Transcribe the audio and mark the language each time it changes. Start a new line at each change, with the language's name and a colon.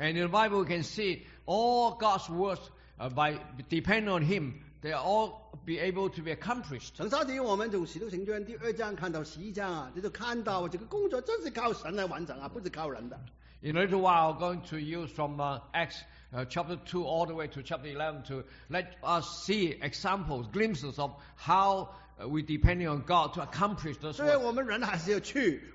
English: And in the Bible, we can see all God's works by depend on Him, they are all be able to be accomplished.
Chinese: 很少见于我们从《使徒行传》第二章看到十一章啊，这就看到这个工作真是靠神来完成啊，不是靠人的。
English: In a little while, I'm going to use from Acts chapter 2 all the way to chapter 11 to let us see examples, glimpses of how we depend on God to accomplish this work.